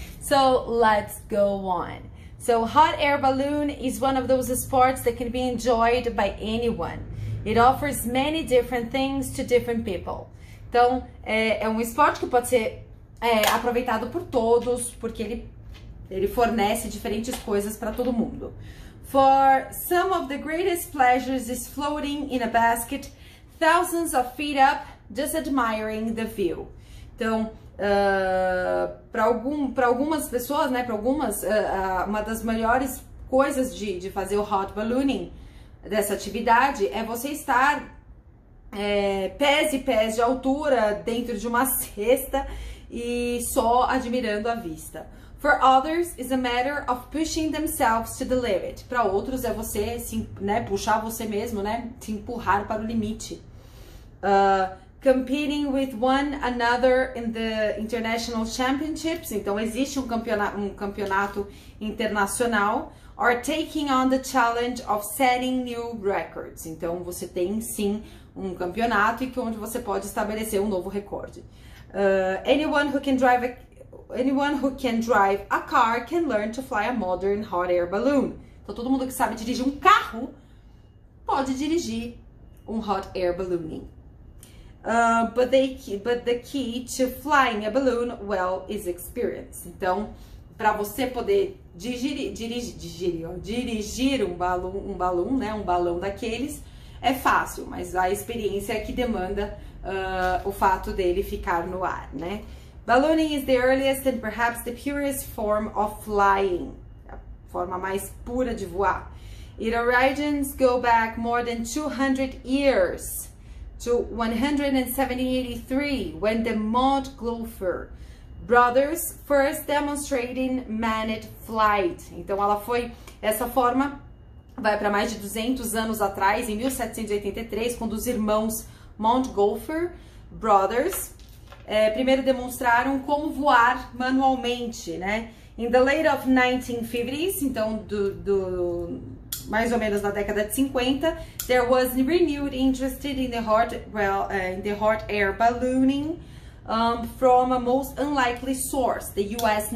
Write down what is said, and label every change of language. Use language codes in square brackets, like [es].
[en] So let's go on. So hot air balloon is one of those sports that can be enjoyed by anyone. It offers many different things to different people. [pt] Então, é um esporte que pode ser aproveitado por todos, porque ele fornece diferentes coisas para todo mundo. [en] For some of the greatest pleasures is floating in a basket, thousands of feet up, just admiring the view. [pt] Então, para algumas pessoas, né, uma das melhores coisas de fazer o hot ballooning, dessa atividade, é você estar... pés e pés de altura dentro de uma cesta e só admirando a vista. [en] For others, it's a matter of pushing themselves to the limit. [pt] Para outros, é você se, né, puxar você mesmo, né, se empurrar para o limite. [en] Competing with one another in the international championships. [pt] Então, existe um campeonato internacional. [en] Or taking on the challenge of setting new records. [pt] Então, você tem, sim, um campeonato e que onde você pode estabelecer um novo recorde. [en] Anyone who can drive a car can learn to fly a modern hot air balloon. [pt] Então, todo mundo que sabe dirigir um carro pode dirigir um hot air ballooning. [en] But the key to flying a balloon well is experience. [pt] Então, para você poder dirigir um balão daqueles, é fácil, mas a experiência é que demanda o fato dele ficar no ar, né? [en] Ballooning is the earliest and perhaps the purest form of flying. [pt] A forma mais pura de voar. [en] Its origins go back more than 200 years to 1783, when the Maud Glofer brothers first demonstrating manned flight. [pt] Então, ela foi essa forma... Vai para mais de 200 anos atrás, em 1783, quando os irmãos Montgolfier Brothers primeiro demonstraram como voar manualmente, né? [en] In the late of 1950s, [pt] então do mais ou menos na década de 50, [en] there was renewed interest in the hot, hot air ballooning from a most unlikely source, the U.S.